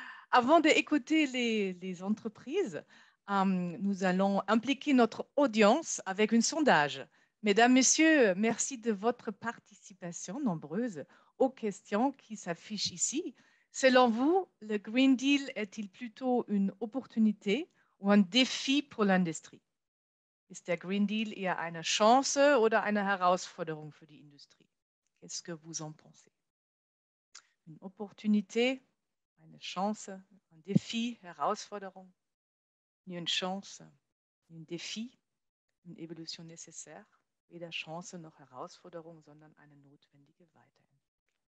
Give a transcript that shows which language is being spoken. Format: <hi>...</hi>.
<fr>Avant d'écouter les entreprises, nous allons impliquer notre audience avec un sondage. Mesdames, Messieurs, merci de votre participation nombreuse aux questions qui s'affichent ici. Selon vous, le Green Deal est-il plutôt une opportunité ou un défi pour l'industrie?</fr> <de>Ist der Green Deal eher eine Chance oder eine Herausforderung für die Industrie?</de> <fr>Qu'est-ce que vous en pensez? Une opportunité? Une chance, un défi, une herausforderung, ni une chance, ni un défi, une évolution nécessaire,</fr> <de>weder chance noch herausforderung, sondern eine notwendige Weiterentwicklung.</de>